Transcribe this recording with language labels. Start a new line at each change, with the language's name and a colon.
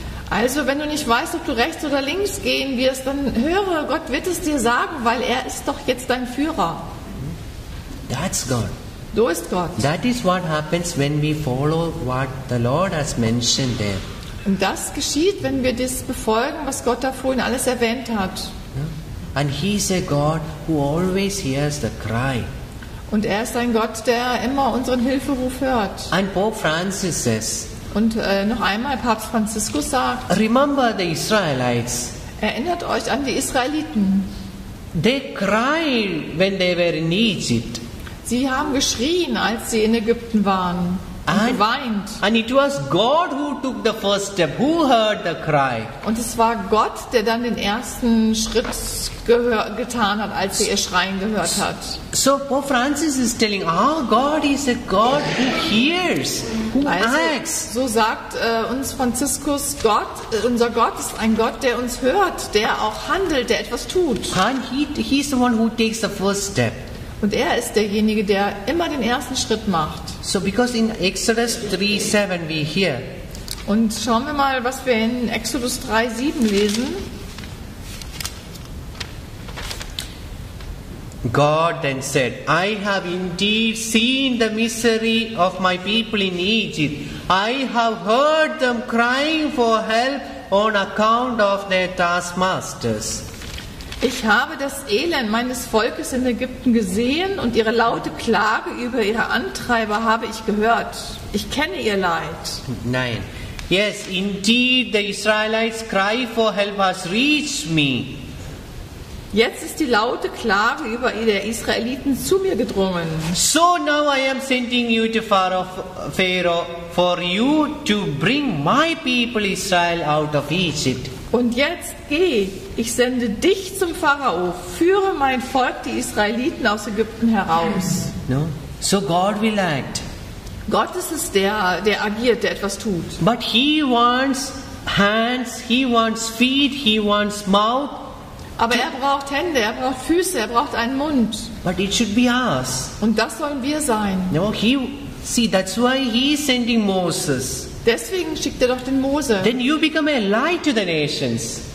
German: Also, wenn du nicht weißt, ob du rechts oder links gehen wirst, dann höre, Gott wird es dir sagen, weil er ist doch jetzt dein Führer.
English: That's God.
German: Du bist Gott.
English: That is what happens when we follow what the Lord has mentioned there.
German: Und das geschieht, wenn wir das befolgen, was Gott da vorhin alles erwähnt hat.
English: And he's a God who always hears the cry.
German: Und er ist ein Gott, der immer unseren Hilferuf hört.
English: And Pope Francis says,
German: und noch einmal, Papst Franziskus sagt,
English: remember the Israelites.
German: Erinnert euch an die Israeliten.
English: They cried when they were in Egypt.
German: Sie haben geschrien, als sie in Ägypten waren. Und geweint.
English: And it was God who took the first step, who heard the cry.
German: Und es war Gott, der dann den ersten Schritt getan hat, als sie ihr Schreien gehört hat.
English: So Pope Francis is telling, our God is a God who hears, who acts.
German: So sagt uns Franziskus, Gott, unser Gott ist ein Gott, der uns hört, der auch handelt, der etwas tut.
English: And he's the one who takes the first step.
German: Und er ist derjenige, der immer den ersten Schritt macht.
English: So because in Exodus 3:7 we hear.
German: Und schauen wir mal, was wir in Exodus 3:7 lesen.
English: God then said, I have indeed seen the misery of my people in Egypt. I have heard them crying for help on account of their taskmasters.
German: Ich habe das Elend meines Volkes in Ägypten gesehen und ihre laute Klage über ihre Antreiber habe ich gehört. Ich kenne ihr Leid. Nein.
English: Yes, indeed, the Israelites' cry for help has reached me.
German: Jetzt ist die laute Klage über die Israeliten zu mir gedrungen.
English: So now I am sending you to Pharaoh for you to bring my people Israel out of Egypt.
German: Und jetzt geh, ich sende dich zum Pharao, führe mein Volk, die Israeliten, aus Ägypten heraus.
English: No? So God will act.
German: Gott ist es, der agiert, der etwas tut.
English: But he wants hands, he wants feet, he wants mouth.
German: Aber er braucht Hände, er braucht Füße, er braucht einen Mund.
English: But it should be us.
German: Und das sollen wir sein.
English: No, see, that's why he is sending Moses.
German: Deswegen schickt er doch den Mose.
English: Then you become a light to the nations.